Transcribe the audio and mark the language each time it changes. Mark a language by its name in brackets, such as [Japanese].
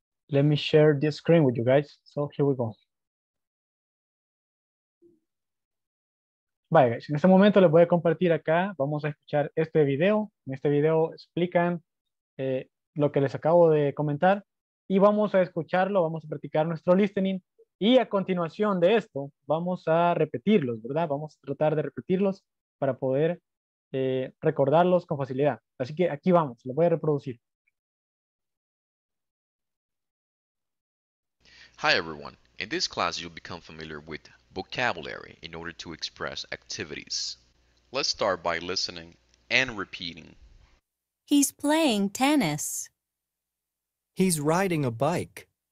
[English] Let me share this screen with you guys. So here we go. Bye guys, [Spanish] en este momento les voy a compartir acá, vamos a escuchar este video. En este video explican lo que les acabo de comentar y vamos a escucharlo, vamos a practicar nuestro listening y a continuación de esto vamos a repetirlos, ¿verdad? Vamos a tratar de repetirlos para poder recordarlos con facilidad. Así que aquí vamos, lo voy a reproducir. [English] Hi everyone. In this class, you'll become familiar with vocabulary in order to express activities. Let's start by listening and repeating. He's playing tennis. He's riding a bike.